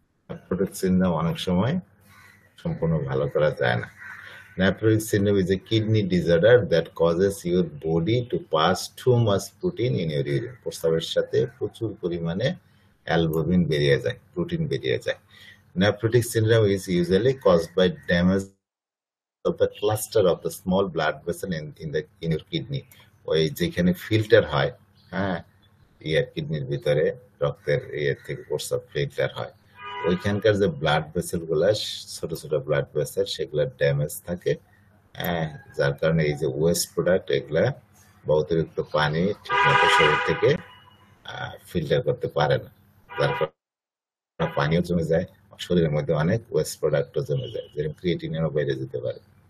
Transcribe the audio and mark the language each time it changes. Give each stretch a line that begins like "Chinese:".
Bangla: Nephrotic syndrome অনেক সময় সম্পূর্ণ ভালো করা যায় না।
English: nephrotic syndrome is a kidney disorder that causes your body to pass too much protein in your urine,
Bangla: প্রস্রাবের সাথে প্রচুর পরিমাণে অ্যালবুমিন বেরিয়ে যায়,
English: Protein বেরিয়ে যায়, Nephrotic syndrome is usually caused by damage of the cluster of the small blood vessel in your kidney.
Bangla: ওই যেখানে ফিল্টার হয়, হ্যাঁ, ইয়ার কিডনির ভিতরে রক্তের ইয়ের থেকে প্রস্রাব ফিল্টার হয়, ওইখানকার যে ব্লাড ভেসেল গুলা ছোট ছোট ব্লাড ভেসেল সেগুলা ড্যামেজ থাকে, হ্যাঁ, যার কারণে এই যে ওয়েস্ট প্রোডাক্ট এগুলা বা অতিরিক্ত পানি ঠিকমতো শরীর থেকে ফিল্টার করতে পারে না, যার কারণে পানিও জমে যায়, শরীরের মধ্যে অনেক ওয়েস্ট প্রোডাক্টও জমে যায়, যেরকম ক্রিয়েটিনেরও বেড়ে যেতে পারে।